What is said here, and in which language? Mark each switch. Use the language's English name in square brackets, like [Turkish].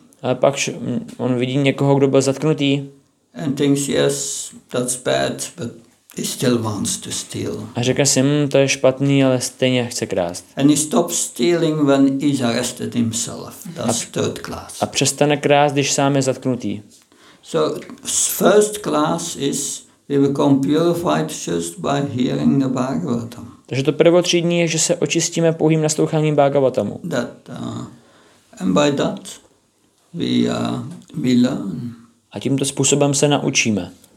[Czech] A pak on vidí někoho, kdo byl zatknutý. [English] And thinks, yes, that's bad, but he still wants to steal. [Czech] A řekne si, to je špatný, ale stejně chce krást. [English] And he stops stealing when he's arrested himself. That's third class. [Czech] A přestane krást, když sám je zatknutý. [English] So first class is we become purified just by hearing the Bhagavatam. [Czech] Takže to prvotřídní je, že se očistíme pouhým nasloucháním Bhagavatamu. [English] That And by that we learn. [Czech] A tímto způsobem se naučíme.